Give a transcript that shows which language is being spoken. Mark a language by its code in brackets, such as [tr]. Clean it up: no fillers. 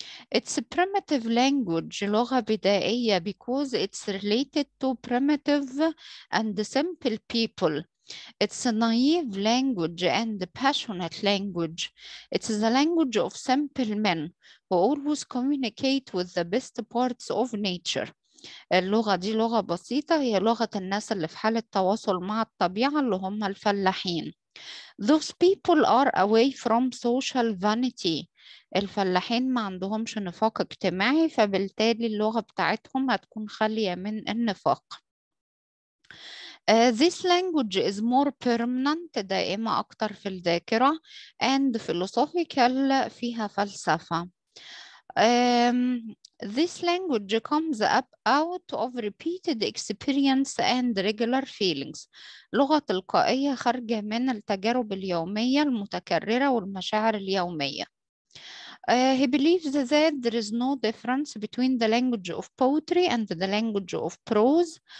[en] It's a primitive language, [ar] لغة بدائية, [en] because it's related to primitive and simple people. It's a naive language and a passionate language. It's the language of simple men who always communicate with the best parts of nature. [ar] اللغة دي لغة بسيطة، هي لغة الناس اللي في حالة تواصل مع الطبيعة اللي هم الفلاحين. [en] Those people are away from social vanity. [ar] الفلاحين ما عندهمش نفاق اجتماعي، فبالتالي اللغة بتاعتهم هتكون خالية من النفاق. [en] This language is more permanent، [ar] دائمة أكتر في الذاكرة، [en] and philosophical، [ar] فيها فلسفة. [en] This language comes up out of repeated experience and regular feelings، [ar] لغة تلقائية خارجة من التجارب اليومية المتكررة والمشاعر اليومية. [en] He believes that there is no difference between the language of poetry and the language of prose.